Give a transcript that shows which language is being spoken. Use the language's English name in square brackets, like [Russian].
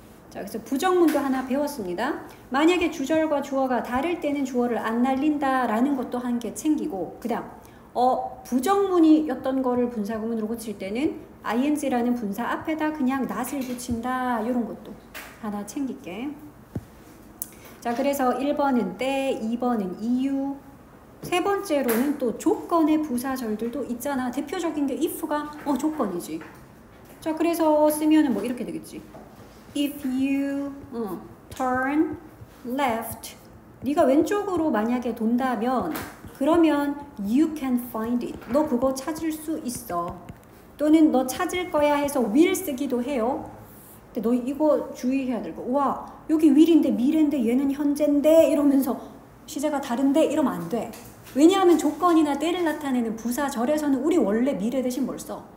[Korean] 자, 그래서 부정문도 하나 배웠습니다. 만약에 주절과 주어가 다를 때는 주어를 안 날린다라는 것도 한 개 챙기고, 그 다음 어, 부정문이었던 거를 분사구문으로 고칠 때는 ing라는 분사 앞에다 그냥 not을 붙인다 이런 것도 하나 챙길게. 자, 그래서 1번은 때, 2번은 이유, 세 번째로는 또 조건의 부사절들도 있잖아. 대표적인 게 if가 어, 조건이지. 자, 그래서 쓰면은 뭐 이렇게 되겠지. [English] If you turn left, [Korean] 네가 왼쪽으로 만약에 돈다면 그러면 [English] you can find it. [Korean] 너 그거 찾을 수 있어. 또는 너 찾을 거야 해서 will 쓰기도 해요. 근데 너 이거 주의해야 될 거. 와, 여기 will인데 미래인데 얘는 현재인데 이러면서 시제가 다른데 이러면 안 돼. 왜냐하면 조건이나 때를 나타내는 부사절에서는 우리 원래 미래 대신 뭘 써?